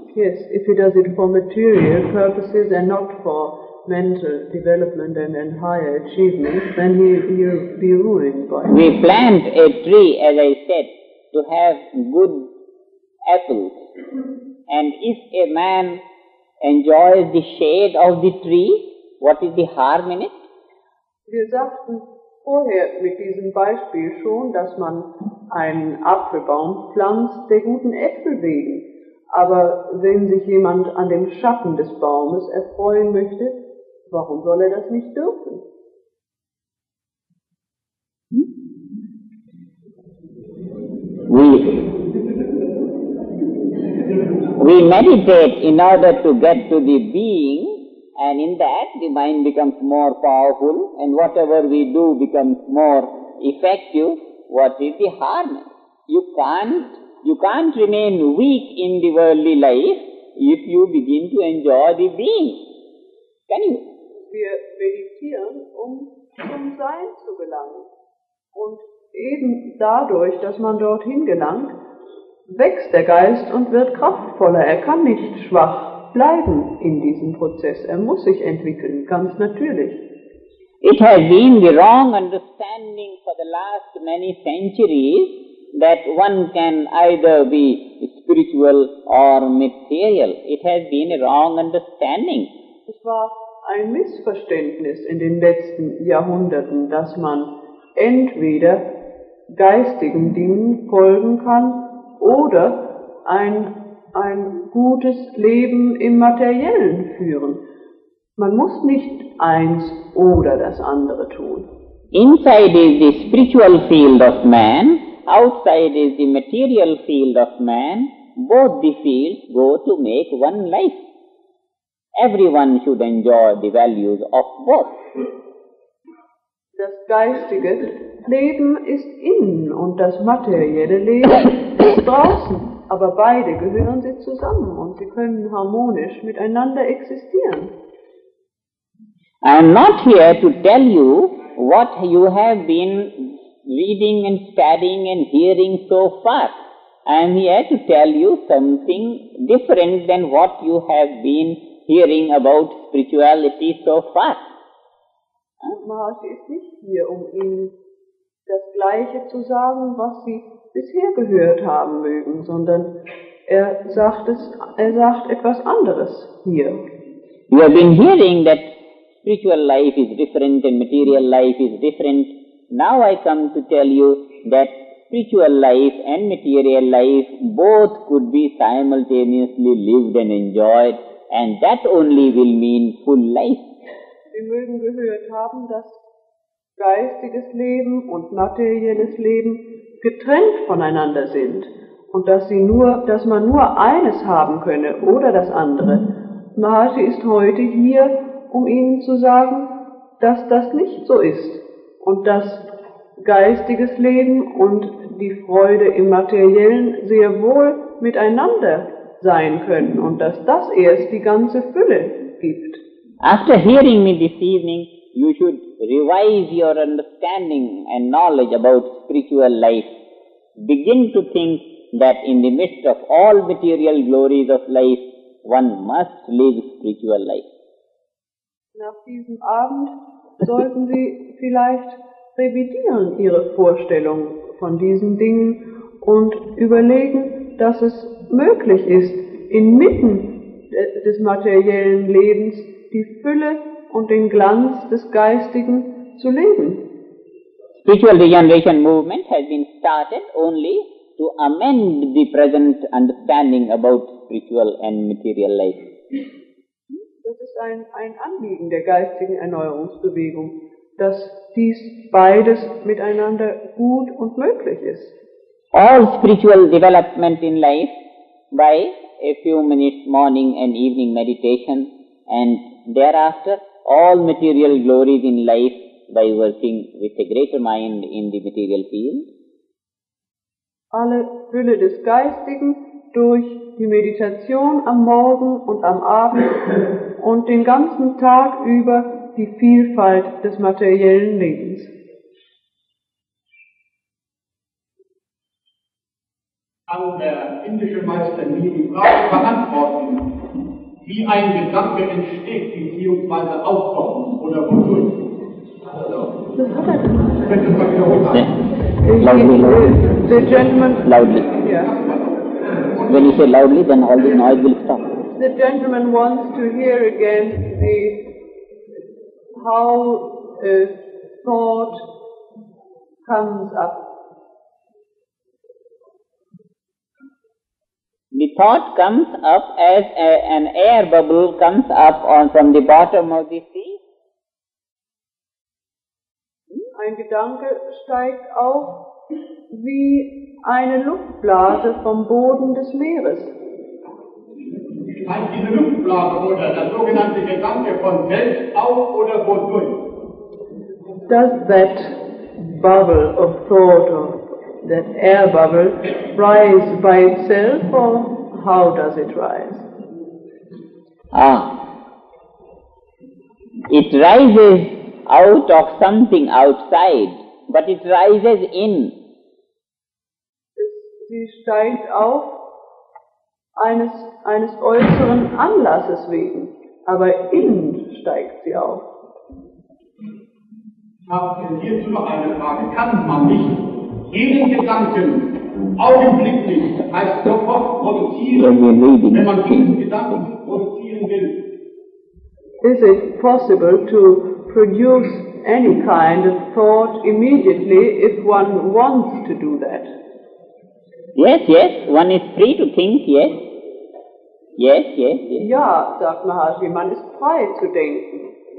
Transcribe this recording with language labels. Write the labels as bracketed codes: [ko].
[en] Yes, if he does it for material purposes and not for mental development and higher achievement, then he'll be ruined by it. We plant a tree, as I said, to have good apples. And if a man enjoys the shade of the tree, what is the harm in it? [de] Wir sagten vorher mit diesem Beispiel schon, dass man einen Apfelbaum pflanzt, der guten Äpfel wegen. Aber wenn sich jemand an dem Schatten des Baumes erfreuen möchte, warum soll er das nicht dürfen? [en] We meditate in order to get to the being. And in that, the mind becomes more powerful, and whatever we do becomes more effective. What is the harm? You can't remain weak in the worldly life if you begin to enjoy the being. Can you? [de] wir meditieren, um zum Sein zu gelangen. Und eben dadurch, dass man dorthin gelangt, wächst der Geist und wird kraftvoller. Er kann nicht schwach bleiben in diesem Prozess. Er muss sich entwickeln, ganz natürlich. [en] It has been the wrong understanding for the last many centuries that one can either be spiritual or material. It has been a wrong understanding. [de] Es war ein Missverständnis in den letzten Jahrhunderten, dass man entweder geistigen Dingen folgen kann oder ein gutes Leben im Materiellen führen. Man muss nicht eins oder das andere tun. [en] Inside is the spiritual field of man, outside is the material field of man. Both the fields go to make one life. Everyone should enjoy the values of both. [de] Das geistige Leben ist innen und das materielle Leben ist draußen. Aber beide gehören sie zusammen und sie können harmonisch miteinander existieren. [en] I am not here to tell you what you have been reading and studying and hearing so far. I am here to tell you something different than what you have been hearing about spirituality so far. [de] Maharshi ist nicht hier, um Ihnen das Gleiche zu sagen, was Sie bisher gehört haben mögen, sondern er sagt etwas anderes hier. [en] You have been hearing that spiritual life is different and material life is different. Now I come to tell you that spiritual life and material life both could be simultaneously lived and enjoyed, and that only will mean full life. [de] Sie mögen gehört haben, dass geistiges Leben und materielles Leben getrennt voneinander sind und dass man nur eines haben könne oder das andere. Maharshi ist heute hier, um Ihnen zu sagen, dass das nicht so ist und dass geistiges Leben und die Freude im Materiellen sehr wohl miteinander sein können und dass das erst die ganze Fülle gibt. [en] After hearing me this evening, you should revise your understanding and knowledge about spiritual life. Begin to think that in the midst of all material glories of life, one must live spiritual life. [de] Nach diesem Abend sollten Sie vielleicht revidieren Ihre Vorstellung von diesen Dingen und überlegen, dass es möglich ist, inmitten des materiellen Lebens die Fülle und den Glanz des Geistigen zu leben. [en] Spiritual Regeneration Movement has been started only to amend the present understanding about spiritual and material life. [de] Das ist ein Anliegen der geistigen Erneuerungsbewegung, dass dies beides miteinander gut und möglich ist. [en] All spiritual development in life by a few minutes morning and evening meditation, and thereafter all material glories in life by working with a greater mind in the material field. [de] Alle Fülle des Geistigen durch die Meditation am Morgen und am Abend und den ganzen Tag über die Vielfalt des materiellen Lebens. Kann der indische Meister nie die Frage beantworten, wie ein Gedanke entsteht, beziehungsweise aufkommt oder wodurch? Also, das hat er nicht. [en] The gentleman. Loudly. Yeah. When you say loudly, then all the noise will stop. The gentleman wants to hear again the how a thought comes up. The thought comes up as an air bubble comes up from the bottom of the sea. [de] Ein Gedanke steigt auf wie eine Luftblase vom Boden des Meeres. Steigt diese Luftblase oder der sogenannte Gedanke von selbst auf oder wodurch? [en] Does that bubble of thought or that air bubble rise by itself or how does it rise? Ah. it rises out of something outside, but it rises in. [de] Sie steigt auf eines äußeren Anlasses wegen, aber in steigt sie auf. Hierzu noch eine Frage. Kann man nicht jeden Gedanken augenblicklich, heißt sofort, produzieren, wenn man diesen Gedanken produzieren will? [en] Is it possible to produce any kind of thought immediately if one wants to do that? Yes, yes, one is free to think, yes. Yes, yes, yes. [de] Ja, sagt Maharshi, man ist frei zu denken.